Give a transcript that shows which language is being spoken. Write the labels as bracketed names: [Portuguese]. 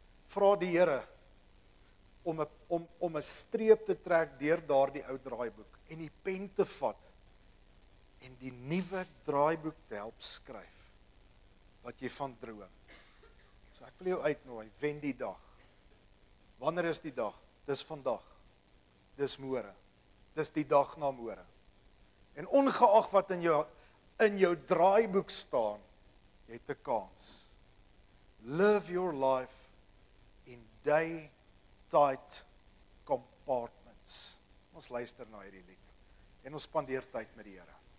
[Afrikaans] Vra die Here om 'n streep te trek deur daardie ou draaiboek en die pen te vat en die nuwe draaiboek te help skryf wat jy van droom. So ek wil jou uitnooi, wen die dag. Wanneer is die dag? Dis vandag. Dis môre. Dis die dag na môre. En ongeag wat in jou draaiboek staan, jy het 'n kans. [English] Live your life in day tight compartments. [Afrikaans] Ons luister na hierdie lied en ons spandeer tyd met die Here.